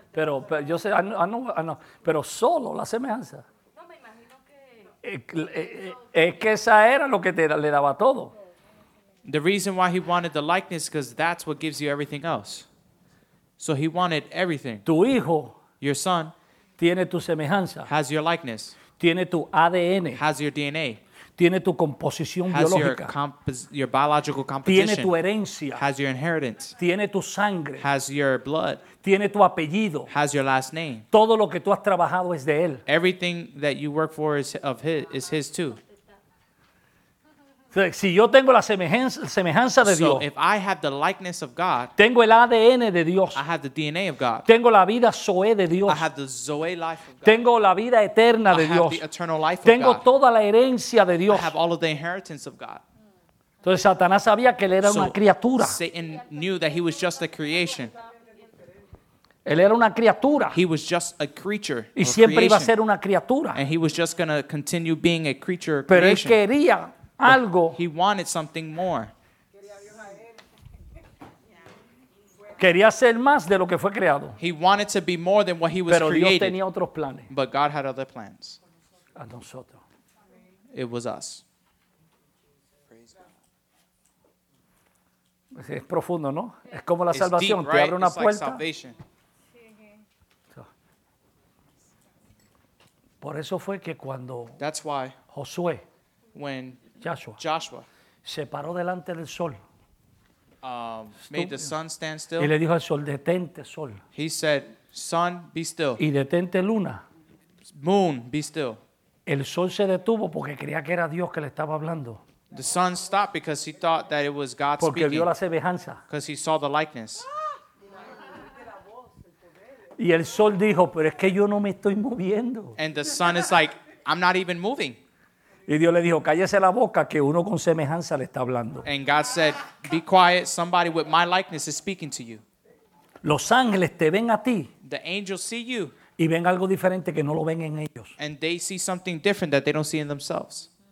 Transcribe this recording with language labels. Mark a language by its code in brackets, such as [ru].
[es] Pero yo sé, no, pero solo la semejanza. No, me imagino que... Es que esa era lo que le daba todo. [en] The reason why he wanted the likeness, because that's what gives you everything else. So he wanted everything. [es] Tu hijo, [en] your son, [es] tiene tu semejanza. [en] Has your likeness. [es] Tiene tu ADN. [en] Has your DNA. [es] Tiene tu composición biológica. [en] Has your biological composition. [es] Tiene tu herencia. [en] Has your inheritance. [es] Tiene tu sangre. [en] Has your blood. [es] Tiene tu apellido. [en] Has your last name. [es] Todo lo que tú has trabajado es de él. [en] Everything that you work for is of his, is his too. [es] Si yo tengo la semejanza de Dios, [en] if I have the likeness of God, [es] tengo el ADN de Dios, [en] I have the DNA of God, [es] tengo la vida Zoe de Dios, [en] I have the Zoe life of God, [es] tengo la vida eterna de Dios, [en] I have the eternal life of God, [es] tengo toda la herencia de Dios, [en] I have all of the inheritance of God. [es] Entonces Satanás sabía que él era una criatura. [en] Satan knew that he was just a creation. [es] Él era una criatura. [en] He was just a creature. [es] Y siempre iba a ser una criatura. [en] And he was just going to continue being a creature. [es] Pero él quería algo. [en] He wanted something more. [es] Quería ser más de lo que fue creado. [en] He wanted to be more than what he was created. [es] Pero Dios tenía otros planes. [en] But God had other plans. [es] A nosotros. [en] It was us. [es] Es profundo, ¿no? Es como la salvación. Te abre una puerta. Por eso fue que cuando Josué, [en] when [es] Joshua se paró delante del sol, [en] made the sun stand still, [es] y le dijo al sol, detente sol, [en] he said, sun, be still, [es] y detente luna, [en] moon, be still. [es] El sol se detuvo porque creía que era Dios que le estaba hablando. [en] The sun stopped because he thought that it was God [es] porque [en] speaking, [es] vio la semejanza, [en] because he saw the likeness. [es] Y el sol dijo, pero es que yo no me estoy moviendo. [en] And the sun is like, I'm not even moving. [es] Y Dios le dijo, cállese la boca que uno con semejanza le está hablando. [en] And God said, be quiet, somebody with my likeness is speaking to you. [es] Los ángeles te ven a ti. [en] The angels see you. [es] Y ven algo diferente que no lo ven en ellos. [en] And they see something different that they don't see in themselves.